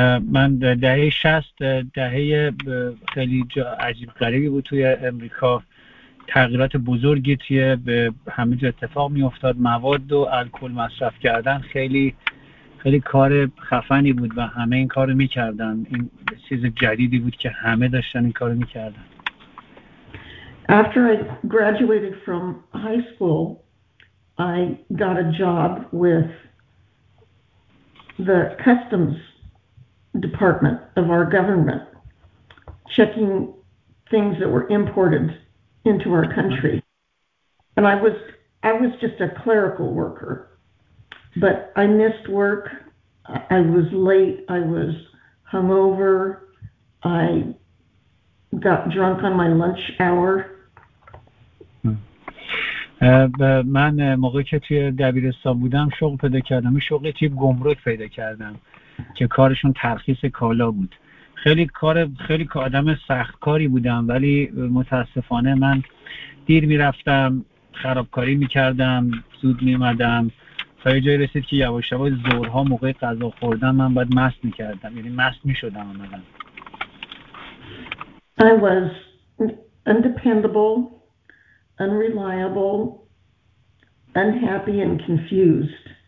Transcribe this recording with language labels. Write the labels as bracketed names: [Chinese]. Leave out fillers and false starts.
[Persian] من دهه 60 دهه خیلی عجیب غریبی بود توی امریکا، تغییرات بزرگی توی همه جا اتفاق می افتاد، مواد و الکل مصرف کردن خیلی خیلی کار خفنی بود و همه این کارو میکردن، این چیز جدیدی بود که همه داشتن این کارو میکردن. [English] After I graduated from high school, I got a job with the customs department of our government, checking things that were imported into our country. And I was just a clerical worker. But I missed work. I was late. I was hungover. I got drunk on my lunch hour. [Persian] من موقعی که توی دبیرستان بودم شغل پیدا کردم، شغلی توی گمرک پیدا کردم که کارشون ترخیص کالا بود. خیلی آدم سخت کاری بودم، ولی متاسفانه من دیر میرفتم، خرابکاری میکردم، زود میمدم، تا یه جایی رسید که یواش یواش زورها موقع غذا خوردن من باید مست میکردم، یعنی مست میشدم. [English] I was undependable, unreliable, unhappy and confused.